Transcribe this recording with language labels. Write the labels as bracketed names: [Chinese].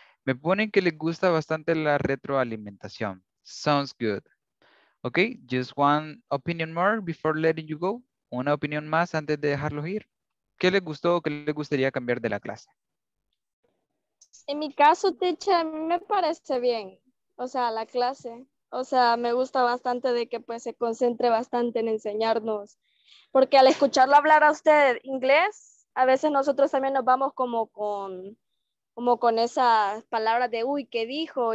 [Spanish] Me ponen que les gusta bastante la retroalimentación. [English] Sounds good. Okay, just one opinion more before letting you go. [Spanish] Una opinión más antes de dejarlos ir. ¿Qué les gustó o qué les gustaría cambiar de la clase? En mi caso, teacher, me parece bien. O sea, la clase. O sea, me gusta bastante de que pues, se concentre bastante en enseñarnos. Porque al escucharlo hablar a usted inglés, a veces nosotros también nos vamos como con esas palabras de uy, ¿qué dijo?